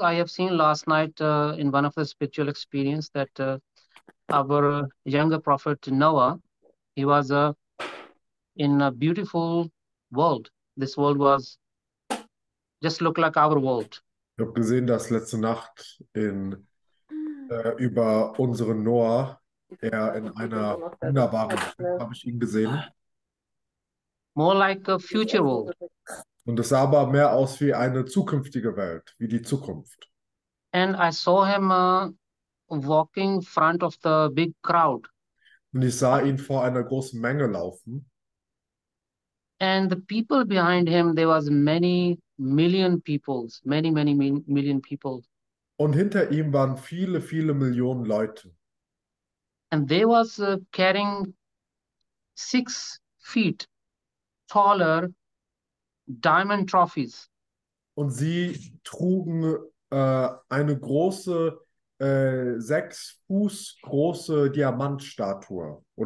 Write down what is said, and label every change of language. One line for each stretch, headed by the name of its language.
English: I have seen last night in one of the spiritual experience that our younger prophet Noah, he was in a beautiful world. This world was just looked like our world.
German: Ich habe gesehen, dass letzte Nacht in über unseren Noah er in einer wunderbaren Welt, habe ich ihn gesehen.
English: More like a future world.
German: Und es sah aber mehr aus wie eine zukünftige Welt, wie die Zukunft.
English: And I saw him walking front of the big crowd.
German: Und ich sah ihn vor einer großen Menge laufen.
English: And the people behind him, there was many million peoples, many, many million people.
German: Und hinter ihm waren viele, viele Millionen Leute.
English: And they was carrying 6 feet taller diamond trophies.
German: Und sie trugen eine große, 6 Fuß große Diamantstatue